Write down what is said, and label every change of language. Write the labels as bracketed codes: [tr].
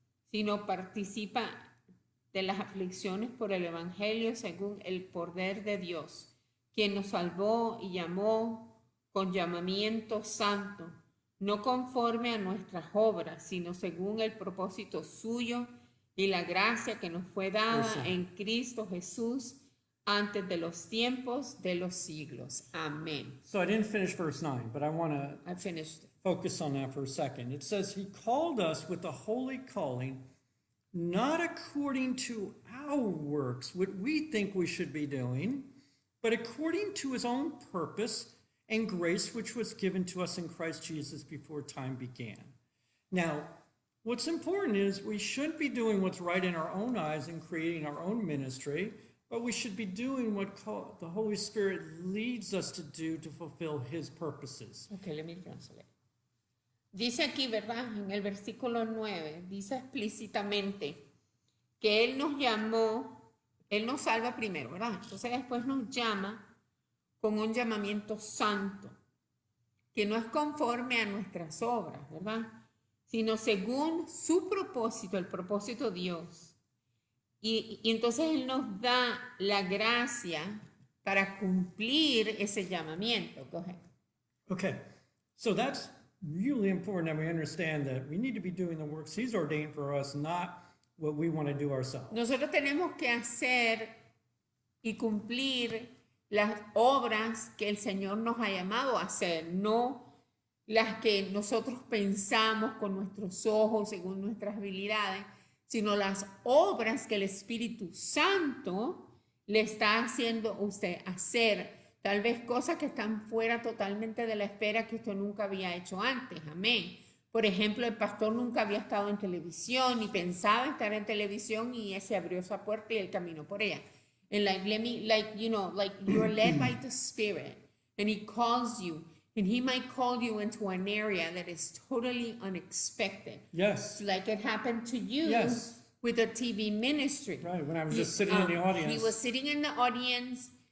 [es] sino participa de las aflicciones por el Evangelio según el poder de Dios, quien nos salvó y llamó con llamamiento santo, no conforme a nuestras obras, sino según el propósito suyo y la gracia que nos fue dada en Cristo Jesús antes de los tiempos de los siglos. Amén. [en] So I didn't finish verse 9, but I want to focus on that for a second. It says, he called us with a holy calling, not according to our works, what we think we should be doing, but according to his own purpose and grace, which was given to us in Christ Jesus before time began. Now, what's important is we shouldn't be doing what's right in our own eyes and creating our own ministry, but we should be doing what the Holy Spirit leads us to do to fulfill his purposes. Okay, let me translate. [es] Dice aquí, ¿verdad? En el versículo 9, dice explícitamente que Él nos llamó, Él nos salva primero, ¿verdad? Entonces después nos llama con un llamamiento santo, que no es conforme a nuestras obras, ¿verdad? Sino según su propósito, el propósito de Dios. Y entonces Él nos da la gracia para cumplir ese llamamiento. [en] Go ahead. Okay, so that's really important that we understand that we need to be doing the works he's ordained for us, not what we want to do ourselves. [es] Nosotros tenemos que hacer y cumplir las obras que el Señor nos ha llamado a hacer, no las que nosotros pensamos con nuestros ojos, según nuestras habilidades, sino las obras que el Espíritu Santo le está haciendo usted hacer. Tal vez cosas que están fuera totalmente de la esfera que usted nunca había hecho antes. Amén. Por ejemplo, el pastor nunca había estado en televisión ni pensaba estar en televisión y se abrió esa puerta y él caminó por ella. [en] And like, let me, like, you know, like you're led by the Spirit and he calls you and he might call you into an area that is totally unexpected. Yes. Like it happened to you. Yes. With a TV ministry. Right, when I was just sitting in the audience. He was sitting in the audience.